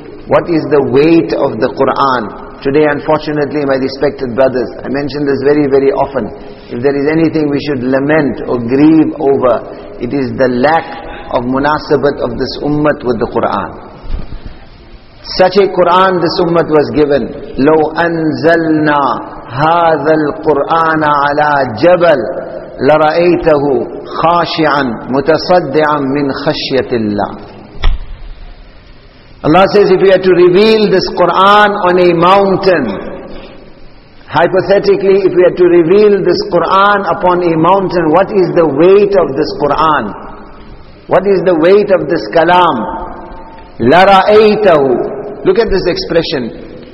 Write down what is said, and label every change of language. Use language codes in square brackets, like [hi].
[en] What is the weight of the Qur'an? Today, unfortunately, my respected brothers, I mention this very, very often. If there is anything we should lament or grieve over, it is the lack of munasabat of this ummah with the Qur'an. Such a Qur'an this ummah was given. [ar] لو أنزلنا هذا القرآن على جبل لرأيته خاشعا متصدعا من خشية الله. [en] Allah says if we are to reveal this Qur'an on a mountain, hypothetically if we are to reveal this Qur'an upon a mountain, what is the weight of this Qur'an? What is the weight of this kalam? لرأيته Look at this expression.